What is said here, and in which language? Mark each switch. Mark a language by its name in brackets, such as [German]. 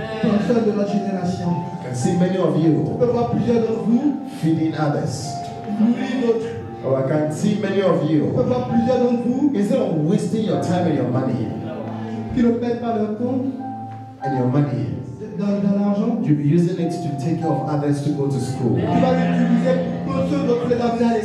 [French] Penseur de notre génération. [English] See many of you. [French] Je peux voir plusieurs d'entre vous. [English] Feeding others. [French] Nourrir d'autres. [English] Oh, I can see many of you. [French] Je peux voir plusieurs d'entre vous. [English] Instead of wasting your time and your money. [French] Qui ne perdent pas leur temps. [English] And your money. [French] Dans l'argent. [English] You'll be using it to take care of others to go to school. [French] Tu vas l'utiliser pour ceux d'autres les amener à l'école.